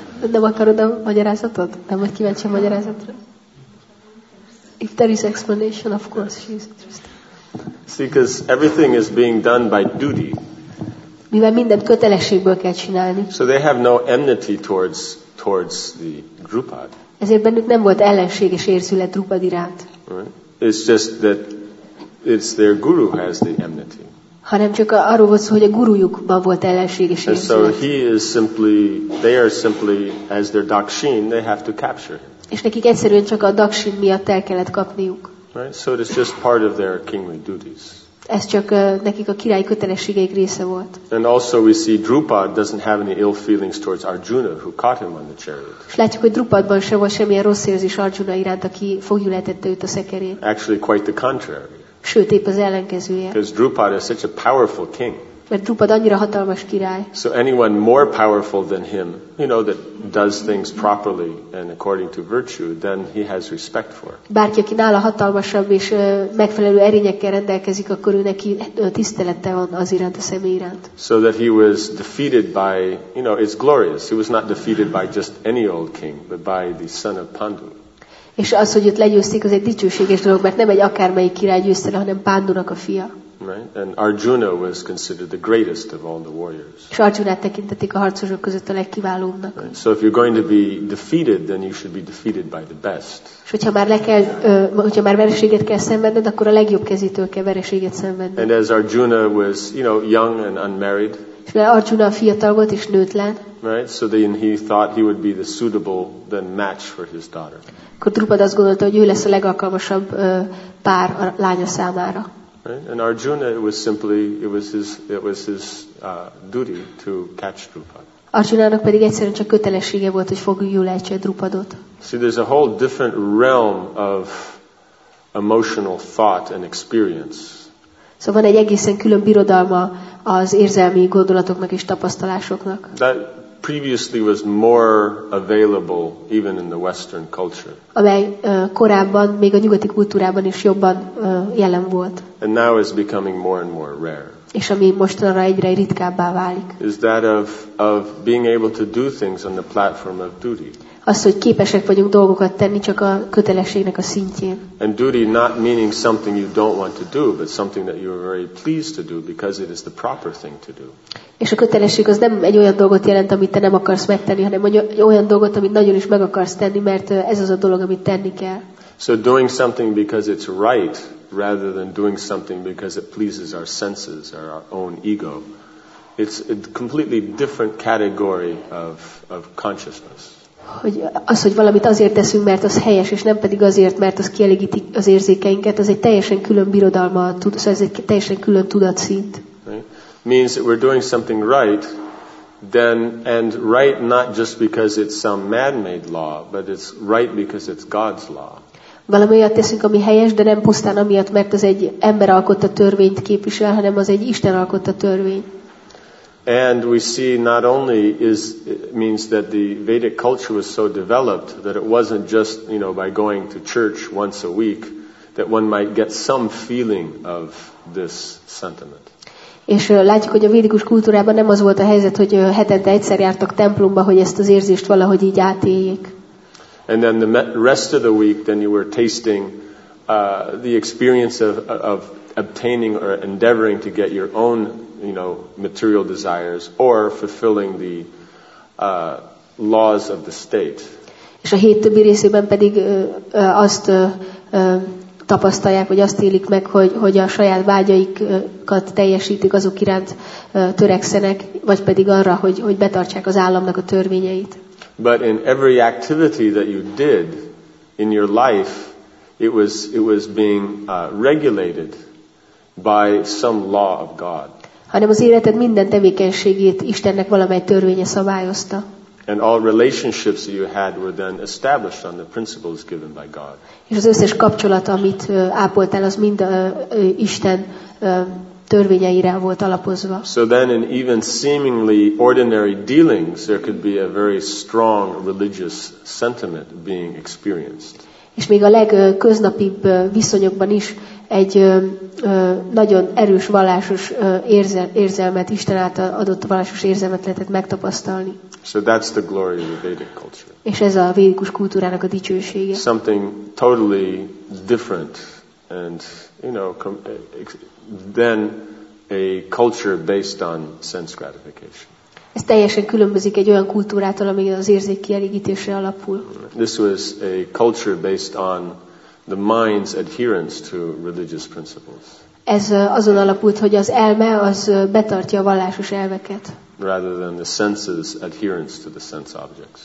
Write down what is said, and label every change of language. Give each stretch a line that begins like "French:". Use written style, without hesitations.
Hungarian: Nem akarod a magyarázatot? Nem vagy kíváncsi a magyarázatra?
English: If there is explanation, of course she is interested. See, because everything is being done by duty.
Hungarian: Mivel mindent kötelességből kell csinálni.
English: So they have no enmity towards the Drupad.
Hungarian: Ezért bennük nem volt ellenséges érzület Drupad iránt.
English: Right? It's just that it's their guru has the enmity.
Hungarian: Hanem csak arról volt szó, hogy a gurujukban volt ellenséges érzület.
English: So he is simply, they are simply, as their dakshin, they have to capture him.
Hungarian: És nekik egyszerűen csak a dakshin miatt el kellett kapniuk.
English: Right? So it is just part of their kingly duties.
Hungarian: Ez csak nekik a király kötelességeik része volt.
English: And also we see Drupad doesn't have any ill feelings towards Arjuna, who caught him on the chariot.
Hungarian: És látjuk, hogy Drupadban sem volt semmilyen rossz érzés Arjuna iránt, aki foglyulhetette őt a szekerén.
English: Actually quite the contrary.
Hungarian: Sőt, épp az ellenkezője.
English: Because Drupad is such a powerful king.
Hungarian: Mert Drupad annyira hatalmas király.
English: So anyone more powerful than him, you know, that does things properly and according to virtue, then he has respect for.
Hungarian: Bárki, aki nála hatalmasabb és megfelelő erényekkel rendelkezik, akkor ő neki tisztelete van az iránt, a személy iránt.
English: So that he was defeated by, you know, it's glorious. He was not defeated by just any old king, but by the son of Pandu.
Hungarian: És az, hogy őt legyőzték, az egy dicsőséges dolog, mert nem egy akármelyik király győzte le, hanem Pándunak a fia.
English: Right? And Arjuna was considered the greatest of all the warriors.
Hungarian: És Arjunát tekintették a harcosok között a legkiválóbbnak.
English: Right? So if you're going to be defeated, then you should be defeated by the best.
Hungarian: És hogyha már vereséget kell szenvedned, akkor a legjobb kezétől kell vereséget szenvedned.
English: And as Arjuna was, you know, young and unmarried.
Hungarian: És mert Arjuna fiatal volt és nőtlen.
English: Right? So then he thought he would be the suitable then match for his daughter.
Hungarian: Akkor Drupad azt gondolta, hogy ő lesz a legalkalmasabb pár a lánya számára.
English: Right? And Arjuna, it was his duty to catch Drupad.
Hungarian: Arjunának pedig egyszerűen csak kötelessége volt, hogy foguljul lejtse Drupadot.
English: See, there's a whole different realm of emotional thought and experience.
Hungarian: Szóval van egy egészen külön birodalma az érzelmi gondolatoknak és tapasztalásoknak.
English: That previously was more available even in the Western culture.
Hungarian: Amely korábban még a nyugati kultúrában is jobban jelen volt.
English: And now is becoming more and more rare.
Hungarian: És ami mostanra egyre ritkábbá válik.
English: Is that of being able to do things on the platform of duty.
Hungarian: Az, hogy képesek vagyunk dolgokat tenni, csak a kötelességnek a szintjén.
English: And duty not meaning something you don't want to do, but something that you are very pleased to do because it is the proper thing to do.
Hungarian: És a kötelesség az nem egy olyan dolgot jelent, amit te nem akarsz megtenni, hanem egy olyan dolgot, amit nagyon is meg akarsz tenni, mert ez az a dolog, amit tenni kell.
English: So doing something because it's right, rather than doing something because it pleases our senses or our own ego, it's a completely different category of consciousness.
Hungarian: hogy az, hogy valamit azért teszünk, mert az helyes, és nem pedig azért, mert az kielégíti az érzékeinket, az egy teljesen külön birodalma, szóval ez egy teljesen külön tudatszint.
English: Right? Means that we're doing something right, then, and right not just because it's some man-made law, but it's right because it's God's law.
Hungarian: Valami olyat teszünk, ami helyes, de nem pusztán amiatt, mert ez egy ember alkotta törvényt képvisel, hanem az egy Isten alkotta törvény.
English: And we see not only is it means that the Vedic culture was so developed that it wasn't just, you know, by going to church once a week that one might get some feeling of this sentiment.
Hungarian: És látjuk, hogy a védikus kultúrában nem az volt a helyzet, hogy hetente egyszer jártak templomba, hogy ezt az érzést valahogy így átéljék.
English: And then the rest of the week then you were tasting the experience of obtaining or endeavoring to get your own, you know, material desires or fulfilling the laws of the state.
Hungarian: És a hét többi részében pedig azt tapasztalják, vagy azt élik meg, hogy a saját vágyaikat teljesítik, azok iránt törekszenek, vagy pedig arra, hogy betartsák az államnak a törvényeit.
English: But in every activity that you did in your life, it was being regulated by some law of God.
Hungarian: Hanem az életed minden tevékenységét Istennek valamely törvénye szabályozta.
English: And all relationships that you had were then established on the principles given by God.
Hungarian: És az összes kapcsolat, amit ápoltál, az mind Isten törvényeire volt alapozva.
English: So then in even seemingly ordinary dealings there could be a very strong religious sentiment being experienced.
Hungarian: És még a legköznapibb viszonyokban is egy nagyon erős vallásos érzelmet, Isten által adott vallásos érzelmet lehetett megtapasztalni.
English: So that's the glory of the Vedic culture.
Hungarian: És ez a védikus kultúrának a dicsősége.
English: Something totally different and, you know, than a culture based on sense gratification.
Hungarian: Ez teljesen különbözik egy olyan kultúrától, ami az érzék kielégítésre alapul.
English: This was a culture based on the mind's adherence to religious principles.
Hungarian: Ez azon alapult, hogy az elme az betartja a vallásos elveket.
English: Rather than the senses' adherence to the sense objects.